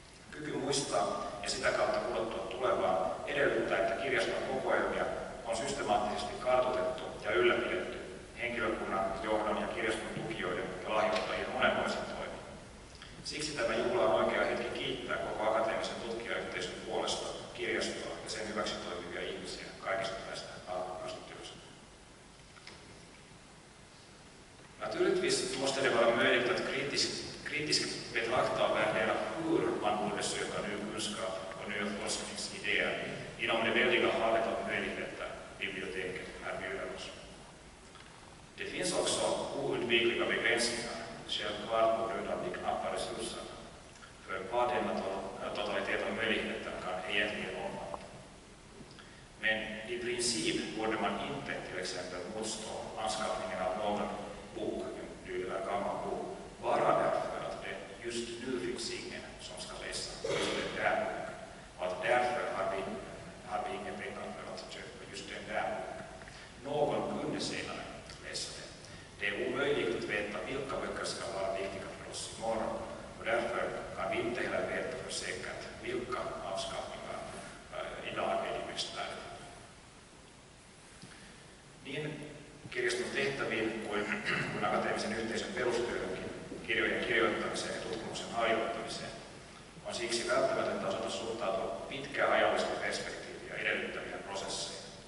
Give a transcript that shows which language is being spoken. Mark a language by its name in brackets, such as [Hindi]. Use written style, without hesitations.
[Finnish] Kyky muistaa ja sitä kautta kulottua tulevaa edellyttää, että kirjaston kokoelmia on systemaattisesti kartoitettu ja ylläpidetty henkilökunnan, johdon ja kirjaston tukijoiden ja lahjoittajien monenlaisen toimin. Siksi tämä juhla on oikea hetki kiittää koko akateemisen tutkijayhteisön puolesta kirjastoa ja sen hyväksi toimivia ihmisiä kaikista tästä alkuperäisestä työstä. [Swedish] Naturligtvis måste det vara möjligt att kritiskt betrakta och värdera hur man borde söka ny kunskap och nya forskningsidéer inom det väldiga havet av möjligheter biblioteket erbjuder oss. Det finns också oundvikliga begränsningar, självklart på grund av de knappa resurserna, för vad denna totalitet av möjligheter kan egentligen omfatta. Men i princip borde man inte till exempel motstå anskaffningen av någon bok, nyligen gammal bok, bara därför att det just nu finns ingen som ska läsa just den där boken, och att därför har vi ingen pengar för att köpa just den där boken. Någon kunde senare läsa den. Det är omöjligt att veta vilka böcker ska vara viktiga för oss imorgon, och därför kan vi inte heller veta för säkert vilka avskaffningar idag är de mest värda. [Finnish] Niin kirjaston tehtäviin kuin akateemisen yhteisön perustyöhönkin, kirjojen kirjoittamiseen ja tutkimuksen harjoittamiseen, on siksi välttämätöntä osata suhtautua pitkää ajallista perspektiiviä edellyttäviä prosesseja.